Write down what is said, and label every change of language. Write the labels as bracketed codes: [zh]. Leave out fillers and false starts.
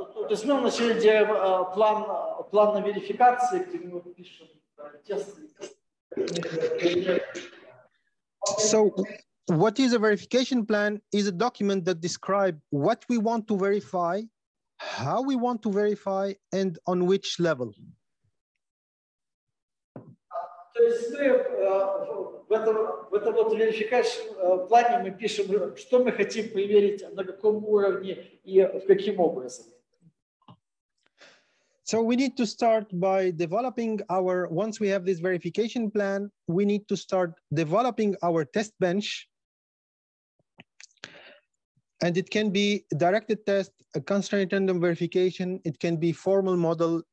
[ru] То есть мы вначале делаем план верификации, где мы пишем тесты. [en] So, what is a verification plan? Is a document that describes what we want to verify, how we want to verify, and on which level. [ru] То есть мы в этом вот верификации плане мы пишем, что мы хотим проверить, на каком уровне и в каким образом. [en] So we need to start by developing our, once we have this verification plan, we need to start developing our test bench. And it can be directed test, a constraint random verification, it can be formal model.